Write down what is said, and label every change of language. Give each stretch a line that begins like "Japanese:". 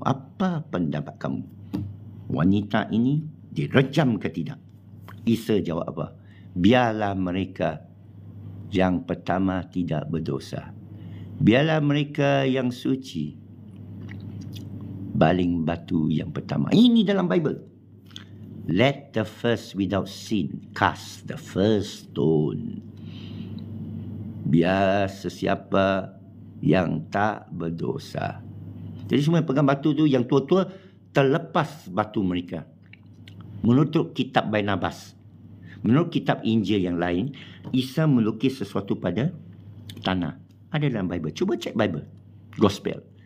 Malay: Apa pendapat kamu? Wanita ini direjam ke tidak? Isa jawab apa? Biarlah mereka yang pertama tidak berdosa. Biarlah mereka yang suci baling batu yang pertama. Ini dalam Bible.
English: Let the first without sin cast the first stone.
Malay: Biar sesiapa yang tak berdosa. Jadi semua pegang batu tu, yang tua-tua terlepas batu mereka. Menurut kitab Barnabas, menurut kitab Injil yang lain, Isa melukis sesuatu pada tanah. Ada dalam Bible. Cuba cek Bible. Gospel.